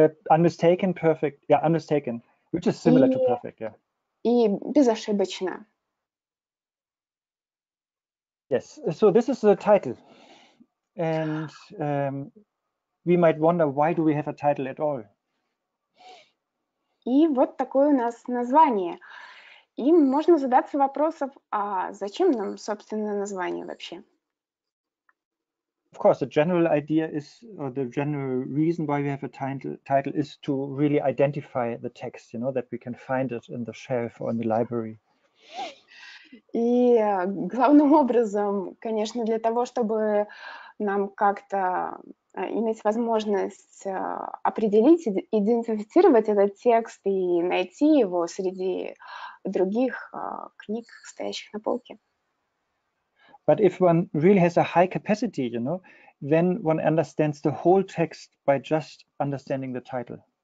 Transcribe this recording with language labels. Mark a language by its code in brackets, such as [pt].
[en] Unmistaken, perfect. Yeah, unmistaken, which is similar to perfect, yeah. [ru] И безошибочно. [en] Yes, so this is the title. And we might wonder, why do we have a title at all? [ru] И вот такое у нас название. И можно задаться вопросом, а зачем нам, собственно, название вообще? [en] Of course, the general idea is, or the general reason why we have a title is to really identify the text, you know, that we can find it in the shelf or in the library. [ru] И главным образом, конечно, для того, чтобы нам как-то иметь возможность определить, идентифицировать этот текст и найти его среди других книг, стоящих на полке. [en] But if one really has a high capacity, you know, then one understands the whole text by just understanding the title.